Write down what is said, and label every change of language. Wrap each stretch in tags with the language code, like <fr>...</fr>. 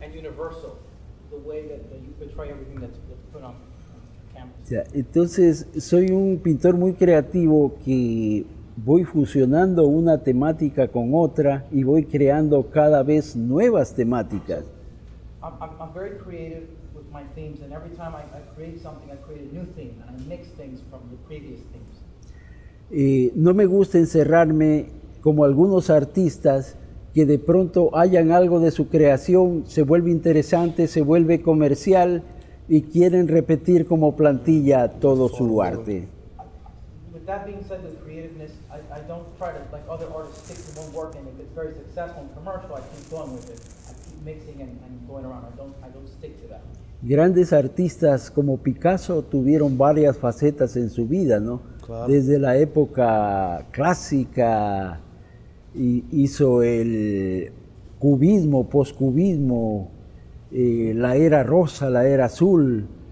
<en>And universal, the way that you portray everything that's put on canvas. Yeah.</en> <es>Entonces, soy un pintor muy creativo que voy fusionando una temática con otra y voy creando cada vez nuevas temáticas.</es> <en>I'm very creative with my themes, and every time I create something, I create a new theme, and I mix things from the previous themes. No me gusta encerrarme como algunos artistas, que de pronto hayan algo de su creación, se vuelve interesante, se vuelve comercial y quieren repetir como plantilla todo su arte. With that being said, with creativeness, I don't try to, like other artists, stick to one work, and if it's very successful and commercial, I keep going with it. I keep mixing and going around. I don't stick to that.</en> <es>Grandes artistas como Picasso tuvieron varias facetas en su vida, ¿no? Claro. Desde la época clásica, y hizo el cubismo, poscubismo, la era rosa, la era azul.</es>